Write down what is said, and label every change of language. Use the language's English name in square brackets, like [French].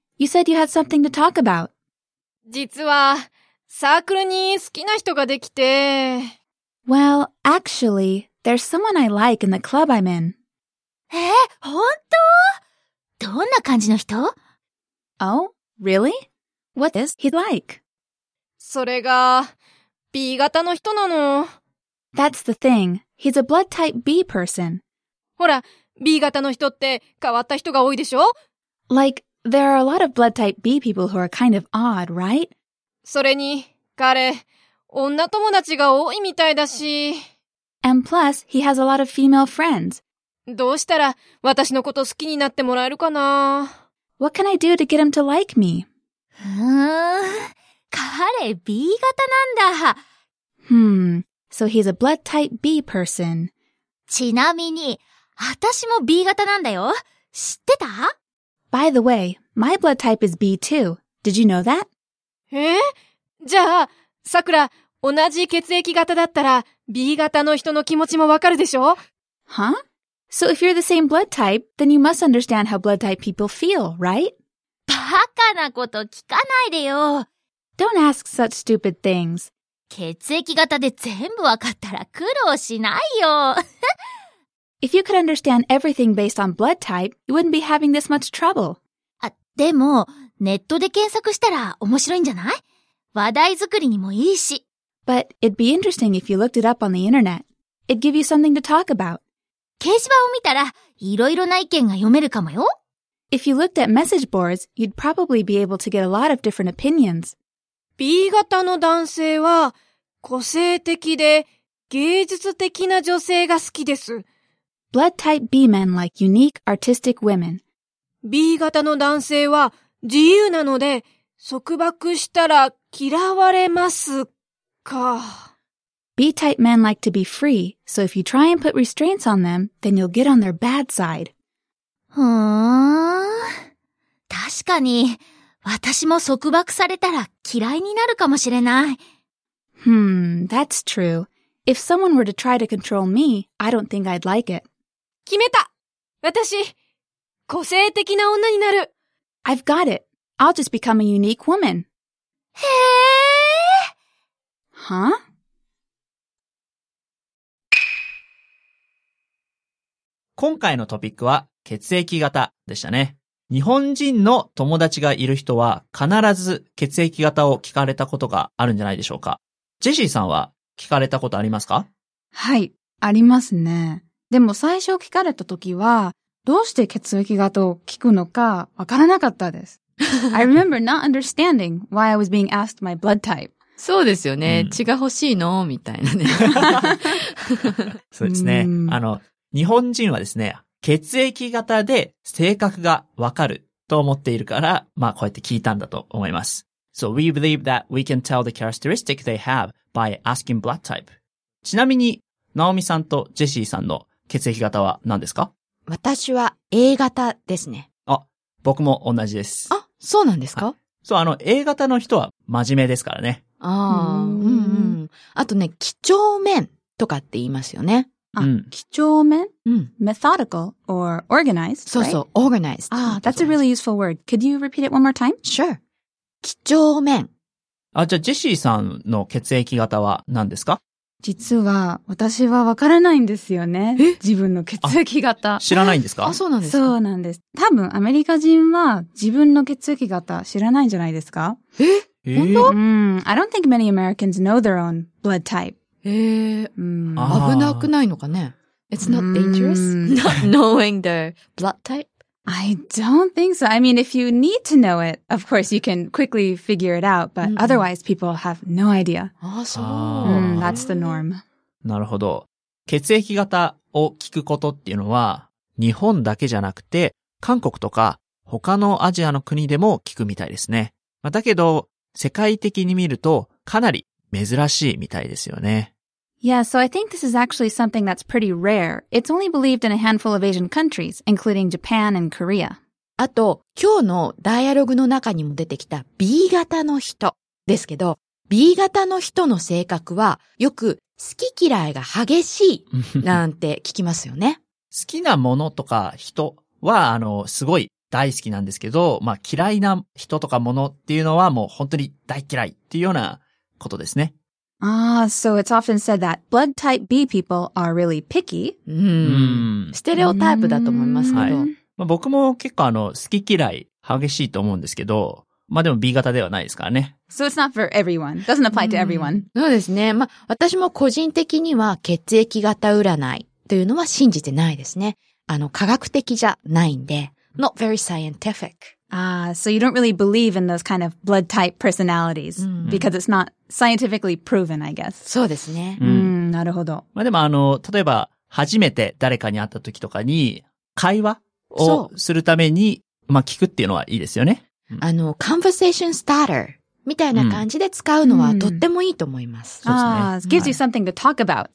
[English] You said you had something to talk about. [Japanese] 実は、サークルに好きな人ができて。 [English] Well, actually, there's someone I like in the club I'm in. [Japanese] 本当？どんな感じの人？ [English] Oh, really? What is he like? [Japanese] それが、B 型の人なの。 [English] That's the thing. He's a blood type B person. [Japanese] ほら、B 型の人って変わった人が多いでしょ? [English] Like, there are a lot of blood type B people who are kind of odd, right? [Japanese] それに、彼、女友達が多いみたいだし。 [English] And plus, he has a lot of female friends. [Japanese] どうしたら私のこと好きになってもらえるかな? [English] What can I do to get him to like me? [Japanese] 彼 B 型なんだ。 [English] So he's a blood type B person. [Japanese] ちなみに、私も B 型なんだよ。知ってた？ [English] By the way, my blood type is B too. Did you know that? [Japanese] じゃあ、さくら、同じ血液型だったら、B 型の人の気持ちもわかるでしょ？ [English] Huh? So if you're the same blood type, then you must understand how blood type people feel, right? [Japanese] バカなこと聞かないでよ。 [English] Don't ask such stupid things. [Japanese] 血液型で全部わかったら苦労しないよ。 [English] If you could understand everything based on blood type, you wouldn't be having this much trouble. [Japanese] あ、でも、ネットで検索したら面白いんじゃない？話題作りにもいいし。 [English] But it'd be interesting if you looked it up on the internet. It'd give you something to talk about. [Japanese] 掲示板を見たら、いろいろな意見が読めるかもよ。 [English] If you looked at message boards, you'd probably be able to get a lot of different opinions. [Japanese] B 型の男性は個性的で芸術的な女性が好きです。 [English] Blood type B men like unique artistic women. [Japanese] B 型の男性は自由なので束縛したら嫌われますか。 [English] B type men like to be free, so if you try and put restraints on them, then you'll get on their bad side. [Japanese] ふーん。確かに、私も束縛されたら嫌いになるかもしれない。 [English] That's true. If someone were to try to control me, I don't think I'd like it. [Japanese] 決めた。私、個性的な女になる。 [English] I've got it. I'll just become a unique woman. [Japanese] へぇー。 [English] Huh? [Japanese] 今回のトピックは血液型でしたね。日本人の友達がいる人は必ず血液型を聞かれたことがあるんじゃないでしょうか。ジェシーさんは聞かれたことありますか？はい、ありますね。でも最初聞かれた時はどうして血液型を聞くのかわからなかったです。 [English] I remember not understanding why I was being asked my blood type. [Japanese] そうですよね。うん、血が欲しいのみたいなね。そうですね。日本人はですね、血液型で性格がわかると思っているから、まあこうやって聞いたんだと思います。 [English] So we believe that we can tell the characteristic they have by asking blood type. [Japanese] ちなみに、ナオミさんとジェシーさんの血液型は何ですか？私は A 型ですね。あ、僕も同じです。あ、そうなんですか？そう、A 型の人は真面目ですからね。ああ、あとね、几帳面とかって言いますよね。あ、几帳面？うん。 [English] methodical or organized? [Japanese] そうそう、 [English] right? organized. あ、that's a really useful word. Could you repeat it one more time? Sure. 几帳面。 [Japanese] あ、じゃあ、ジェシーさんの血液型は何ですか？実は、私はわからないんですよね。え？自分の血液型。知らないんですか？あ、そうなんですか？そうなんです。多分、アメリカ人は自分の血液型知らないんじゃないですか？え？本当？ [English] I don't think many Americans know their own blood type. [Japanese] 危なくないのかね。 [English] It's not dangerous, not knowing their blood type. I don't think so. I mean, if you need to know it, of course you can quickly figure it out, but otherwise people have no idea. That's the norm. [Japanese] なるほど。血液型を聞くことっていうのは、日本だけじゃなくて、韓国とか他のアジアの国でも聞くみたいですね。だけど、世界的に見るとかなり珍しいみたいですよね。 [English] Yeah, so I think this is actually something that's pretty rare. It's only believed in a handful of Asian countries, including Japan and Korea. [Japanese] あと、今日のダイアログの中にも出てきた B 型の人ですけど、B 型の人の性格はよく好き嫌いが激しいなんて聞きますよね。好きなものとか人はすごい大好きなんですけど、まあ嫌いな人とかものっていうのはもう本当に大嫌いっていうような。ことですね。 [English] Ah, so it's often said that blood type B people are really picky. [Japanese] ステレオタイプだと思いますけど。はい、まあ、僕も結構好き嫌い激しいと思うんですけど、まあでも B 型ではないですからね。 [English] So it's not for everyone. Doesn't apply to everyone. [Japanese] そうですね。まあ私も個人的には血液型占いというのは信じてないですね。科学的じゃないんで。 [English] Not very scientific. So you don't really believe in those kind of blood type personalities because it's not scientifically proven, I guess. [Japanese] そうですね。なるほど。まあでも例えば初めて誰かに会った時とかに会話をするためにまあ聞くっていうのはいいですよね。 [English] conversation starter [Japanese] みたいな感じで使うのはとってもいいと思います。そうですね。 [English] gives you something to talk about.